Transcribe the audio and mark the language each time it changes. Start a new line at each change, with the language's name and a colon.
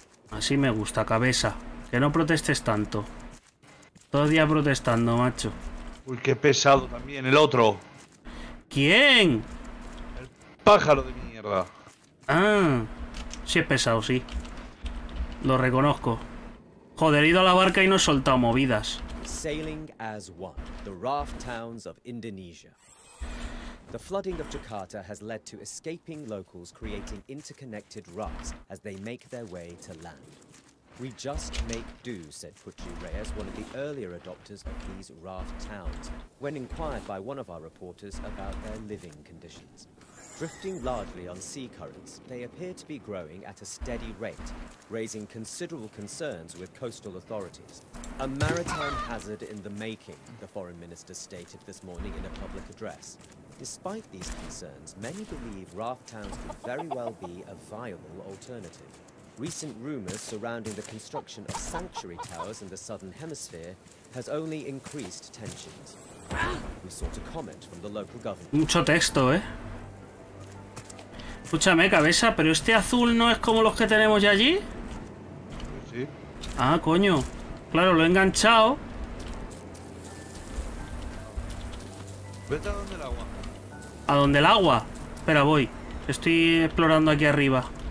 Spanish: Así me gusta, cabeza. Que no protestes tanto. Todo el día protestando, macho. Uy, qué pesado también, el otro. ¿Quién? El pájaro de mierda. Ah, sí es pesado, sí. Lo reconozco. Joder, he ido a la barca y no he soltado movidas.
English: Sailing as one, the raft towns of Indonesia. The flooding of Jakarta has led to escaping locals creating interconnected rafts as they make their way to land. We just make do, said Putri Reyes, one of the earlier adopters of these raft towns, when inquired by one of our reporters about their living conditions. Drifting largely on sea currents, they appear to be growing at a steady rate, raising considerable concerns with coastal authorities. A maritime hazard in the making, the foreign minister stated this morning in a public address. Despite these concerns, many believe raft towns could very well be a viable alternative. Recent rumors surrounding the construction of sanctuary towers in the southern hemisphere has only increased tensions. We sought a comment from the local government.
Spanish: Mucho texto, ¿eh? Escúchame, cabeza, ¿pero este azul no es como los que tenemos ya allí? Sí. Ah, coño. Claro, lo he enganchado. Vete a donde el agua. ¿A donde el agua? Espera, voy. Estoy explorando aquí arriba.